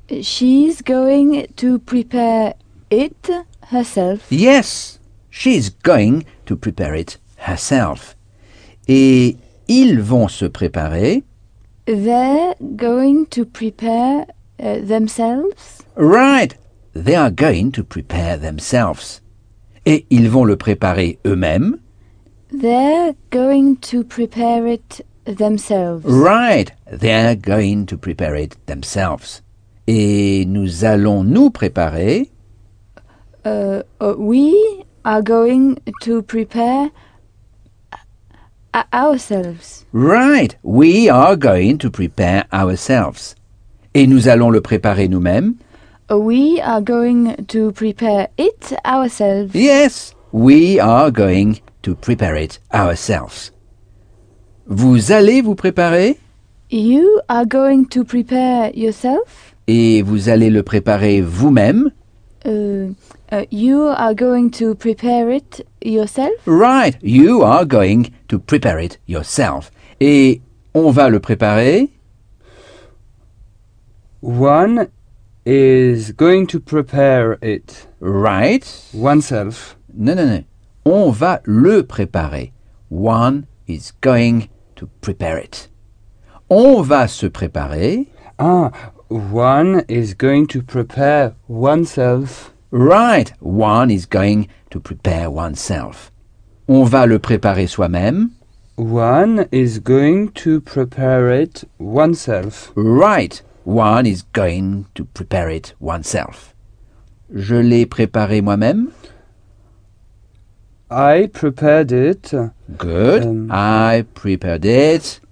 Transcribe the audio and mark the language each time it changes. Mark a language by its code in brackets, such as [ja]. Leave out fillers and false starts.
[en] She's going to prepare it herself. Yes, she's going to prepare it herself. [fr] Et ils vont se préparer. [en] They're going to prepare themselves. Right, they are going to prepare themselves. [fr] Et ils vont le préparer eux-mêmes. [en] They're going to prepare it themselves. Right, they're going to prepare it themselves. [fr] Et nous allons nous préparer. [en] We are going to prepare ourselves. Right. We are going to prepare ourselves. [fr] Et nous allons le préparer nous-mêmes. [en] We are going to prepare it ourselves. Yes, we are going to prepare it ourselves. [fr] Vous allez vous préparer? [en] You are going to prepare yourself. [fr] Et vous allez le préparer vous-même? [en] You are going to prepare it yourself. Right, you are going to prepare it yourself. [fr] Et on va le préparer? [en] One is going to prepare it. Right. Oneself. [fr] No. On va le préparer. [en] One is going to prepare it. [fr] On va se préparer. [en] Ah, one is going to prepare oneself. Right. One is going to prepare oneself. [fr] On va le préparer soi-même. [en] One is going to prepare it oneself. Right. One is going to prepare it oneself. [fr] Je l'ai préparé moi-même. [en] I prepared it. Good. I prepared it.